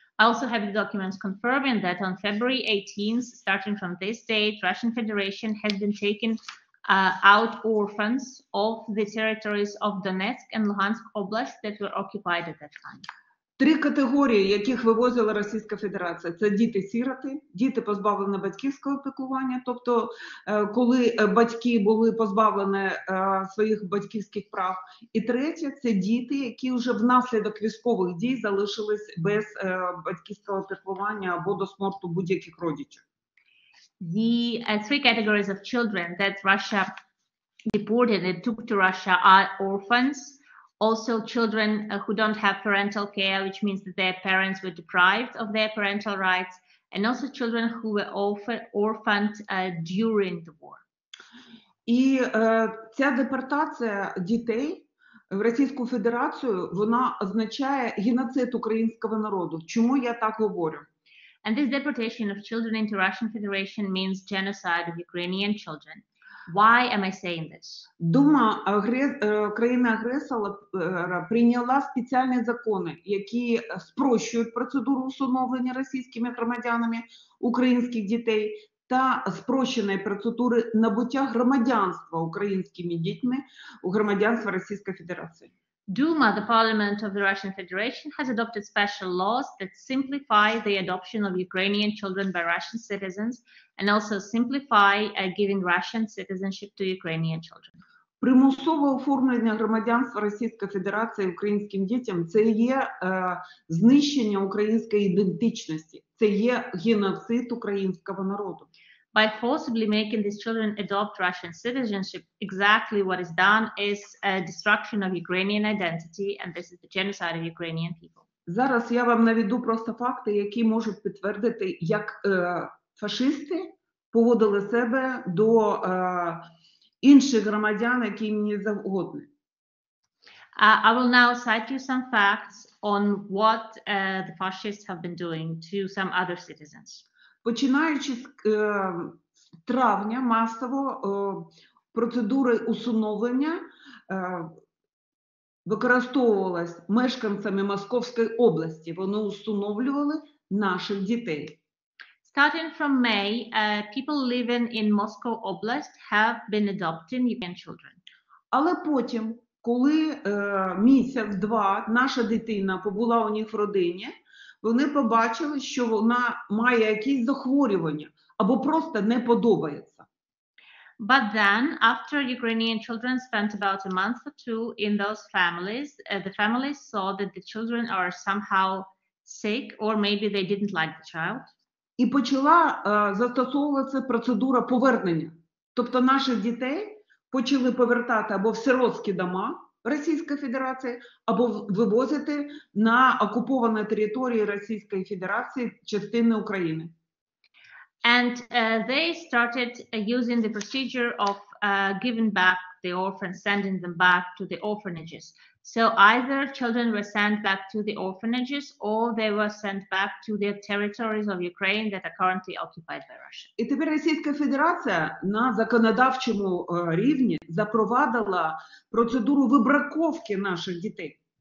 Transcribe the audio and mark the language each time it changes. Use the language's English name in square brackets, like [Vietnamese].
[English] I also have the documents confirming that on February 18th, starting from this date, Russian Federation has been taking out orphans of the territories of Donetsk and Luhansk Oblast that were occupied at that time. [Ukrainian] Три категорії, яких вивозила Російська Федерація, це діти-сироти, діти, позбавлені батьківського піклування, тобто коли батьки були позбавлені своїх батьківських прав. І третє, це діти, які вже внаслідок військових дій залишились без батьківського піклування або до смерті будь-яких родичів. [English] The three categories of children that Russia deported and took to Russia are orphans. Also, children who don't have parental care, which means that their parents were deprived of their parental rights, and also children who were orphaned during the war. [Ukrainian] І ця депортація дітей в Російську Федерацію, вона означає геноцид українського народу. Чому я так говорю? [English] And this deportation of children into Russian Federation means genocide of Ukrainian children. Why am I saying this? [Ukrainian] Дума країна-агресора прийняла спеціальні закони, які спрощують процедуру усиновлення російськими громадянами українських дітей та спрощеної процедури набуття громадянства українськими дітьми у громадянства Російської Федерації. [English] Duma, the parliament of the Russian Federation, has adopted special laws that simplify the adoption of Ukrainian children by Russian citizens and also simplify giving Russian citizenship to Ukrainian children. [Ukrainian] Примусове оформлення громадянства Російської Федерації українським дітям – це є знищення української ідентичності, це є геноцид українського народу. [English] By forcibly making these children adopt Russian citizenship, exactly what is done is a destruction of Ukrainian identity, and this is the genocide of Ukrainian people. [Ukrainian] Зараз я вам наведу просто факти, які можуть підтвердити, як фашисти поводили себе до інших громадян, які їм не завгодні. [English] I will now cite you some facts on what the fascists have been doing to some other citizens. [Ukrainian] Починаючи з травня масово процедури усиновлення використовувалась мешканцями Московської області. Вони усиновлювали наших дітей. [English] Starting from May, people living in Moscow Oblast have been adopting Ukrainian children. [Ukrainian] Але потім, коли місяць-два наша дитина побула у них в родині, вони побачили, що вона має якісь захворювання або просто не подобається. [English] But then, after Ukrainian children spent about a month or two in those families, the families saw that the children are somehow sick or maybe they didn't like the child. [Ukrainian] І почала застосовуватися процедура повернення. Тобто наших дітей почали повертати або в сиротські дома Російської Федерації або вивозити на окуповані території Російської Федерації частини України. [English] And they started using the procedure of giving back the orphans, sending them back to the orphanages. So either children were sent back to the orphanages or they were sent back to the territories of Ukraine that are currently occupied by Russia. [Ukrainian] І тепер Російська Федерація на законодавчому рівні запровадила процедуру вибраковки наших дітей.